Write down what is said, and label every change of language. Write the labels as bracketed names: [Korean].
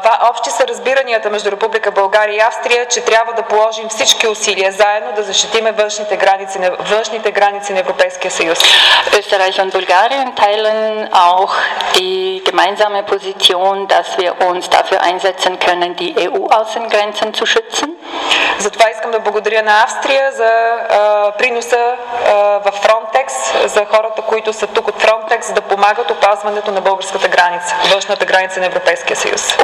[Bulgarian] Общи са разбиранията между Република България и Австрия, че трябва да положим всички усилия заедно да защитим външните граници на Европейския съюз. [German] Österreich und Bulgarien teilen auch die gemeinsame Position, dass wir uns dafür einsetzen können, die EU-Außengrenzen zu schützen. [Bulgarian] Затова искам да благодаря на Австрия за приноса в Frontex, за хората, които са тук от Frontex, да помагат опазването на българската граница, външната граница на Европейския съюз.